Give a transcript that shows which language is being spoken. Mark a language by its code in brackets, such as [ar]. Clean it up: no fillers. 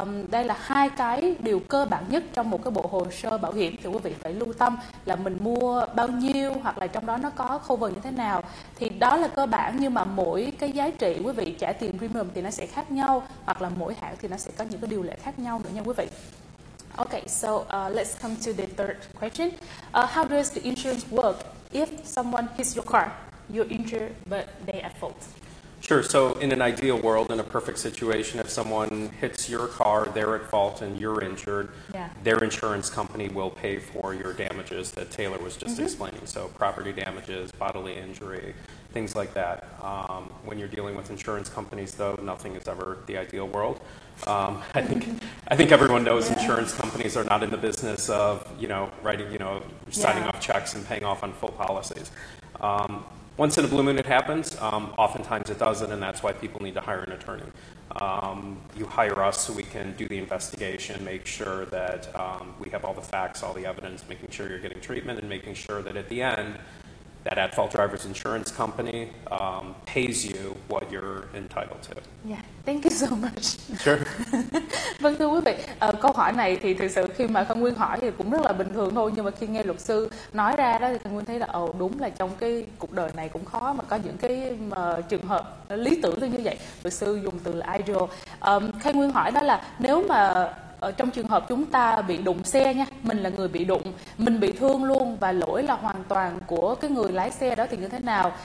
[vi] Đây là hai cái điều cơ bản nhất trong một cái bộ hồ sơ bảo hiểm thì quý vị phải lưu tâm là mình mua bao nhiêu hoặc là trong đó nó có cover như thế nào. Thì đó là cơ bản, nhưng mà mỗi cái giá trị quý vị trả tiền premium thì nó sẽ khác nhau, hoặc là mỗi hãng thì nó sẽ có những cái điều lệ khác nhau nữa nha quý vị. [en] Okay, so let's come to the third question. How does the insurance work if someone hits your car? You're injured, but they at fault. Sure. So in an ideal world, in a perfect situation, if someone hits your car, they're at fault and you're injured, their insurance company will pay for your damages that Taylor was just explaining. So property damages, bodily injury, things like that. When you're dealing with insurance companies, though, nothing is ever the ideal world. I think everyone knows insurance companies are not in the business of, you know, writing, you know, signing off checks and paying off on full policies. Once in a blue moon it happens, oftentimes it doesn't, and that's why people need to hire an attorney. You hire us so we can do the investigation, make sure that we have all the facts, all the evidence, making sure you're getting treatment, and making sure that at the end, that at-fault driver's insurance company pays you what you're entitled to. Yeah, thank you so much. Sure. [vi] Vâng, thưa quý vị, câu hỏi này thì thực sự khi mà Khang Nguyên hỏi thì cũng rất là bình thường thôi, nhưng mà khi nghe luật sư nói ra đó thì Khang Nguyên thấy là đúng là trong cái cuộc đời này cũng khó mà có những cái trường hợp lý tưởng như vậy. Luật sư dùng từ là ideal. Khang Nguyên hỏi đó là nếu mà ở trong trường hợp chúng ta bị đụng xe nha, mình là người bị đụng, mình bị thương luôn và lỗi là hoàn toàn của cái người lái xe đó thì như thế nào?